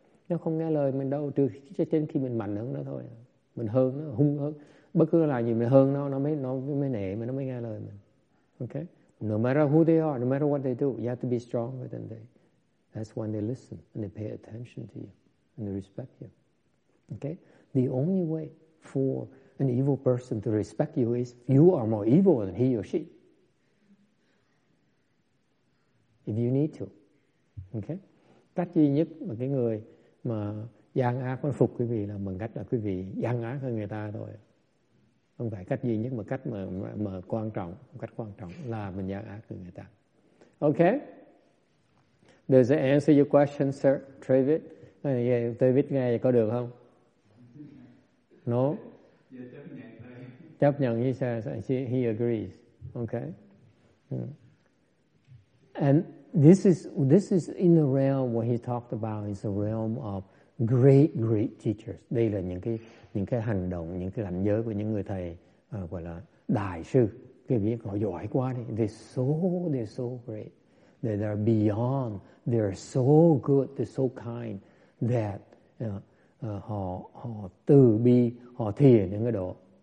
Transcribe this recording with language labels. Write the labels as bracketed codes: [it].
[vi] Nó không nghe lời mình đâu, trừ trên khi mình mạnh hơn nó thôi, mình hơn nó, hung hơn. Bất cứ là gì mình hơn nó mới nể mình, nó mới nghe lời mình. Okay? [en] No matter who they are, no matter what they do, you have to be stronger than they. That's when they listen and they pay attention to you and they respect you. Okay? The only way for an evil person to respect you is if you are more evil than he or she. If you need to. Okay? [vi] Cách duy nhất mà cái người mà gian ác nó phục quý vị là bằng cách là quý vị gian ác hơn người ta thôi. Không phải cách duy nhất mà cách mà quan trọng, cách quan trọng là mình gian ác hơn người ta. Okay? [en] Does that answer your question, sir? David? David [vi] nghe có được không? [en] No? [vi] Chấp nhận thôi. Chấp nhận, [en] he says, he agrees. Okay? And this is in the realm what he talked about is the realm of great, great teachers. [vi] Đây là những cái hành động, những cái cảnh giới của những người thầy gọi là đại sư. Cái việc họ giỏi quá đi. [en] They're so great. That they're beyond. They're so good. They're so kind that [vi] họ từ bi, họ thiền những cái độ.